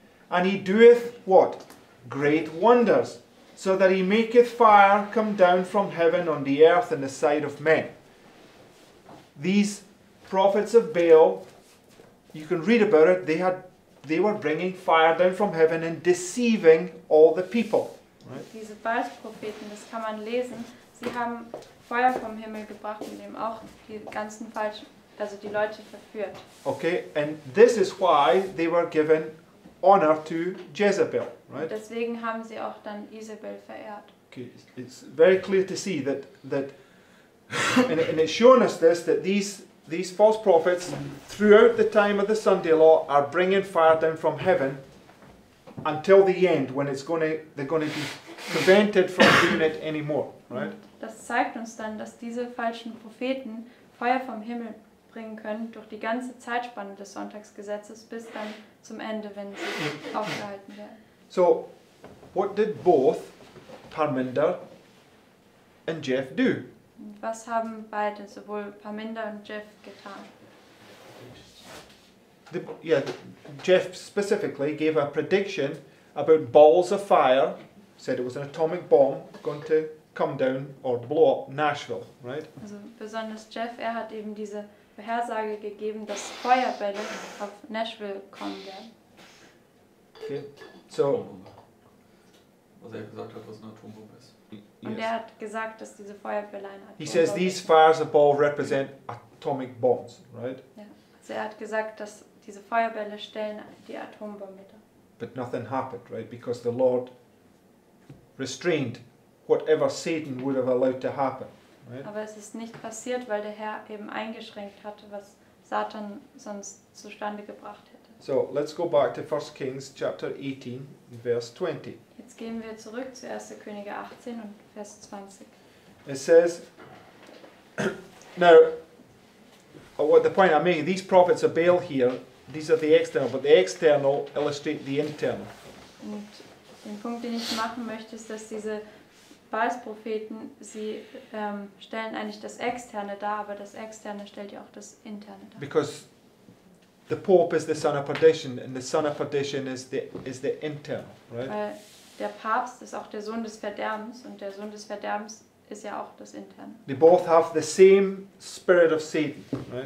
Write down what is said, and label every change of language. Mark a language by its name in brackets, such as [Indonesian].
[English] And he doeth what? Great wonders, so that he maketh fire come down from heaven on the earth in the sight of men. These prophets of Baal, you can read about it, they were bringing fire down from heaven and deceiving all the people. Right. [German] Diese Baalspropheten, das kann man lesen. Sie haben Feuer vom Himmel gebracht und eben auch die ganzen falschen, also die Leute verführt. [English] Okay, and this is why they were given honor to Jezebel, right? [German] Deswegen haben sie auch dann Isabel verehrt. [English] Okay, it's very clear to see that and it's shown us this, that these false prophets throughout the time of the Sunday law are bringing fire down from heaven. Until the end, when they're going to be prevented from doing it anymore, right? [German] Das zeigt uns dann, dass diese falschen Propheten Feuer vom Himmel bringen können durch die ganze Zeitspanne des Sonntagsgesetzes bis dann zum Ende, wenn sie aufgehalten werden. [English] So, what did both Parminder and Jeff do? [German] Was haben beide, sowohl Parminder und Jeff, getan? [English] Jeff specifically gave a prediction about balls of fire, said it was an atomic bomb going to come down or blow up Nashville, right? [German] Also besonders Jeff, er hat eben diese Vorhersage gegeben, dass Feuerbälle auf Nashville kommen werden. [English] Okay, so. [German] Was er gesagt hat, was eine Atombombe ist. Und yes. Er hat gesagt, dass diese Feuerbälle eine Atombombe [English] sind. He says these fires of ball represent atomic bombs, right? [German] Ja, also er hat gesagt, dass diese Feuerbälle stellen die Atombombe dar. [English] But nothing happened, right? Because the Lord restrained whatever Satan would have allowed to happen. Right? [German] Aber es ist nicht passiert, weil der Herr eben eingeschränkt hatte, was Satan sonst zustande gebracht hätte. [English] So, let's go back to 1 Kings chapter 18, verse 20. [German] Jetzt gehen wir zurück zu 1. Könige 18 und Vers 20. [English] It says, now, what the point I'm making, these prophets of Baal here, these are the external, but the external illustrate the internal. [German] Und den Punkt, den ich machen möchte, ist, dass diese Baalspropheten, sie stellen eigentlich das Externe dar, aber das Externe stellt ja auch das Interne dar. [English] Because the Pope is the son of perdition, and the son of perdition is the internal, right? [German] Weil der Papst ist auch der Sohn des Verderbens, und der Sohn des Verderbens ist ja auch das Interne. [English] They both have the same spirit of Satan, right?